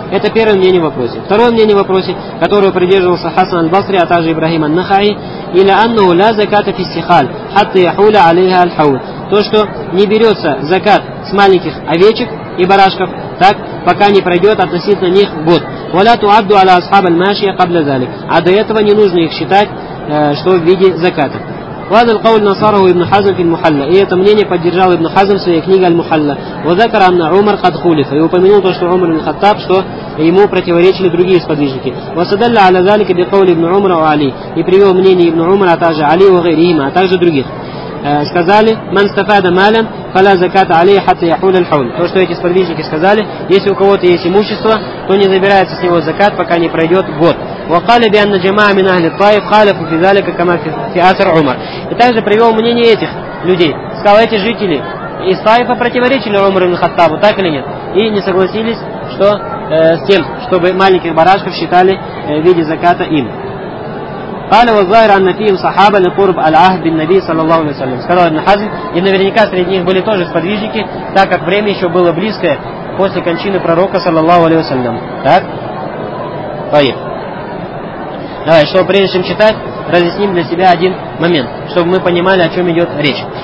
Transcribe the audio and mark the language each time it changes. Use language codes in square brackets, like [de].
[ru] Это первое мнение в вопросе. Второе мнение в вопросе, которое придерживался Хасан аль-Басри, а также Ибрахим ан-Нахаи, или [ar] анну ля заката фи сихаль, хатта яхуля алейха аль-хаул. [ru] То, что не берется закат с маленьких овечек и барашков, так, пока не пройдет относительно них год. [ar] «Валя туадду аля асхаб аль-машия кабля залик». [ru] А до этого не нужно их считать, что в виде заката. [ar] وهذا القول نصره ابن حزم في المحلى. [ru] И это мнение поддержал ابن حزم в своей книге المحلى. [ar] وذكر أن عمر قد خولف. [ru] И упомянул то, что عمر بن الخطاب, что ему противоречили другие сподвижники. [ar] وصدل على ذلك بقول ابن عمر وعلي. [ru] И привел мнение ابن عمر, а также علي وغيرهما, а также других. Сказали, [ar] من استفاد مالا فلا زكاة عليه حتى يحول الحول. [ru] То, что эти сподвижники сказали, если у кого-то есть имущество, то не забирается с него закат, пока не пройдет год. [ar] وقال بأن جماعة من أهل الطائف خالفوا في ذلك كما في أثر عمر. [ru] И также привел мнение этих людей. Сказал, эти жители из Таифа противоречили Умару ибн Хаттабу, так или нет? И не согласились, что с тем, чтобы маленьких барашков считали в виде заката им. [ar] قال والظاهر أن فيهم صحابة لقرب العهد بالنبي صلى الله عليه وسلم. [ru] Сказал ابن حزم, и наверняка среди них были тоже сподвижники, так как время еще было близкое после кончины пророка [ar] صلى الله عليه وسلم. [ru] Так? طيب. Давай, чтобы прежде чем читать, разъясним для себя один момент, чтобы мы понимали, о чем идет речь.